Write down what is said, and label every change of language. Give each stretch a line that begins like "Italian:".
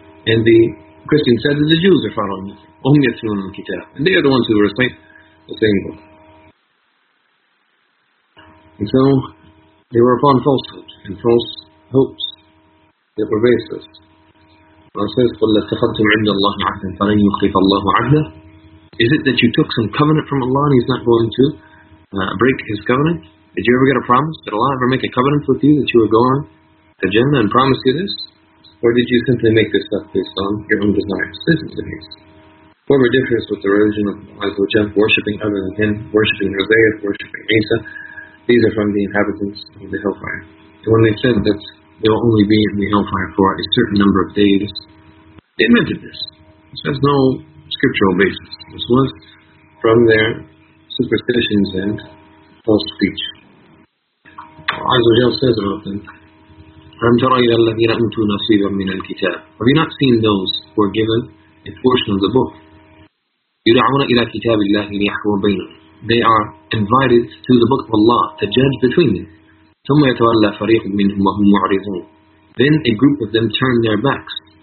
English: And the Christians said that the Jews are following nothing. And they are the ones who recite the same book. And so they were upon falsehood and false hopes that were baseless.
Arabic: Allah says, قُلْ لَتَّخَدْتُمْ عِنْدَ اللَّهِ عَهْدًا فَلَنْ يُخْلِفَ اللَّهُ عَهْدًا.
English: Is it that you took some covenant from Allah and He's not going to break His covenant? Did you ever get a promise? Did Allah ever make a covenant with you that you were going to Jannah and promise you this? Or did you simply make this up based on your own desires? This is the case. Whoever differs with the religion of Allah, worshipping other than Him, worshipping Hosea, worshipping Isa, these are from the inhabitants of the hellfire. And when they said that they will only be in the hellfire for a certain number of days, they invented this. This has no scriptural basis. This was from their superstitions and false speech.
Arabic: Azzawajal says about them, أَمْ تَرَى إِلَى الَّذِينَ أُوتُوا نَصِيبًا مِنَ الْكِتَابِ.
English: Have you not seen those who are given a portion of the book?
Arabic: يُدْعَوْنَ إِلَى كِتَابِ اللَّهِ لِيَحْكُمَ بَيْنَهُمْ.
English: They are invited to the book of Allah to judge between them.
Arabic: ثُمَّ يَتَوَلَّى فَرِيقٌ مِّنْهُمْ وَهُمْ مُعْرِضُونَ.
English: Then a group of them turn their backs.